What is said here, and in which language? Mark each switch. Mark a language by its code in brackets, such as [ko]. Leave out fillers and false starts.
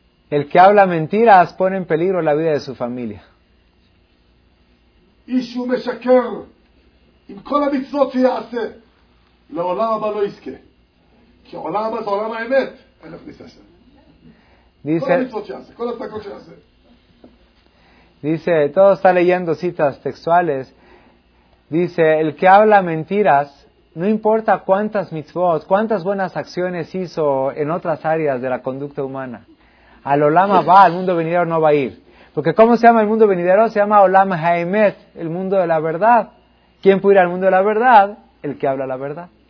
[es] El que habla mentiras pone en peligro la vida de su familia. Y su mesaker. [he] עם כל המצוות שיעשה, לעולם הבא לא יזכה. כי עולם הבא זה עולם האמת. אין לך ניסה שם. כל המצוות שיעשה, כל הפסקות שיעשה. [es] Dice, todo está leyendo citas textuales. Dice, el que habla mentiras, no importa cuántas mitzvot, cuántas buenas acciones hizo en otras áreas de la conducta humana. Al Olam va, al mundo venidero no va a ir. Porque ¿cómo se llama el mundo venidero? Se llama Olam Haemet, el mundo de la verdad. ¿Quién puede ir al mundo de la verdad? El que habla la verdad.